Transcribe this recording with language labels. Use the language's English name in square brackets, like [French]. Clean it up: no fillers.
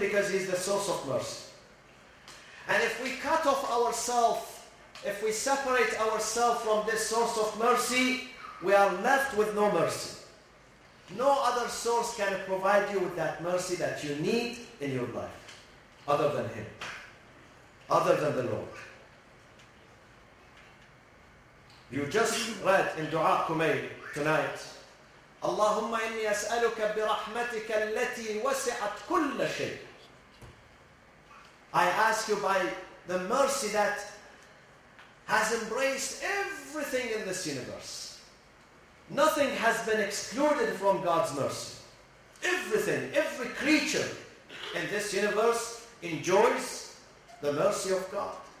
[English] Because He's the source of mercy. And if we cut off ourselves, if we separate ourselves from this source of mercy, we are left with no mercy. No other source can provide you with that mercy that you need in your life, other than Him, other than the Lord. You just read in Dua Kumail tonight, [Arabic] اللهم إني أسألك برحمتك التي وسعت كل شيء. [English] I ask you by the mercy that has embraced everything in this universe. Nothing has been excluded from God's mercy. Everything, every creature in this universe enjoys the mercy of God.